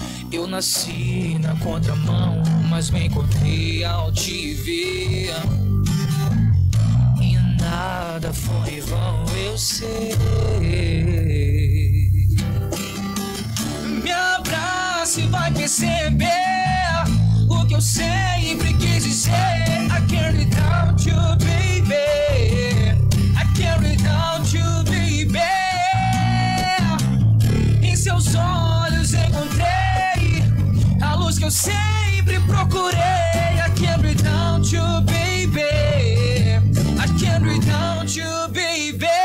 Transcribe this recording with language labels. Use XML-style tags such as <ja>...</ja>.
<pt>Eu nasci na contramão, mas me encontrei ao te ver. E nada foi vão, eu sei. Me abraça e vai perceber o que eu sempre quis dizer.</pt> <en>I can't without you, baby. I can't without you, baby.</en> <pt>Em seus olhos encontrei a luz que eu sempre procurei.</pt> <en>I can't without you, baby. I can't without you, baby.</en>